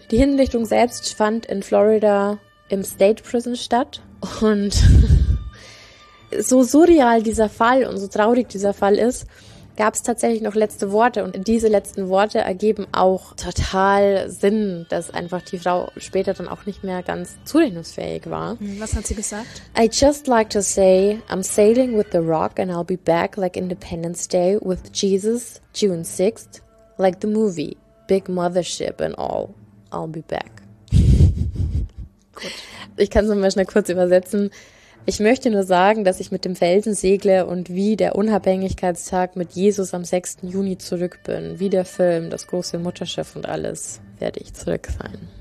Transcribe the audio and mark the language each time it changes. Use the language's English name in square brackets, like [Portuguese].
[German] Die Hinrichtung selbst fand in Florida im State Prison statt. Und so surreal dieser Fall und so traurig dieser Fall ist, gab es tatsächlich noch letzte Worte. Und diese letzten Worte ergeben auch total Sinn, dass einfach die Frau später dann auch nicht mehr ganz zurechnungsfähig war. Was hat sie gesagt? [English] I just like to say, I'm sailing with the rock and I'll be back like Independence Day with Jesus, June 6th, like the movie, Big Mothership and all. I'll be back. [German] Gut. Ich kann es nochmal schnell kurz übersetzen. Ich möchte nur sagen, dass ich mit dem Felsen segle und wie der Unabhängigkeitstag mit Jesus am 6. Juni zurück bin. Wie der Film, das große Mutterschiff und alles, werde ich zurück sein.